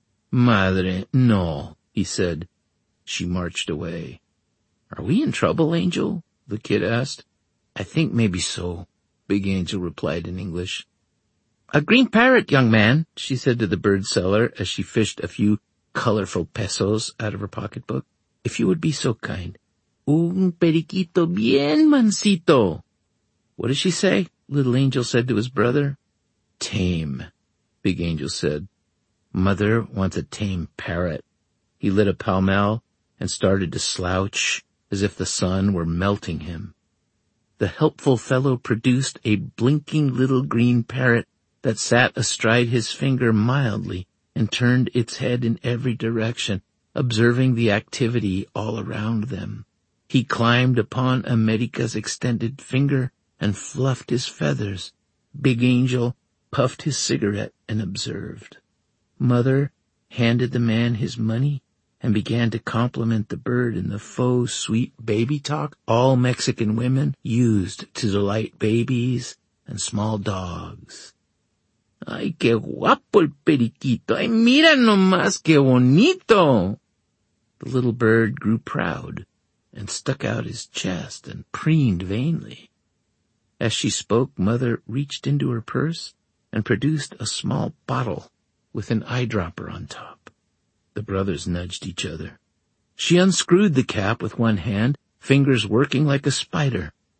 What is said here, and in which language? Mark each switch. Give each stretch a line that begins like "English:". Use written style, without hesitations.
English: Madre, no, he said. She marched away. Are we in trouble, Angel? The kid asked. I think maybe so, Big Angel replied in English. A green parrot, young man, she said to the bird seller as she fished a few colorful pesos out of her pocketbook. If you would be so kind.
Spanish: Un periquito bien mansito.
English: What does she say? Little Angel said to his brother. tame, Big Angel said. Mother wants a tame parrot. He lit a Pall Mall and started to slouch as if the sun were melting him. The helpful fellow produced a blinking little green parrot that sat astride his finger mildly and turned its head in every direction, observing the activity all around them. He climbed upon America's extended finger and fluffed his feathers. Big Angel puffed his cigarette and observed. Mother handed the man his money and began to compliment the bird in the faux sweet baby talk all Mexican women used to delight babies and small dogs.
Spanish: Ay, qué guapo el periquito. Ay, mira nomás qué bonito.
English: The little bird grew proud and stuck out his chest and preened vainly. As she spoke, Mother reached into her purse and produced a small bottle with an eyedropper on top. The brothers nudged each other. She unscrewed the cap with one hand, fingers working like a spider.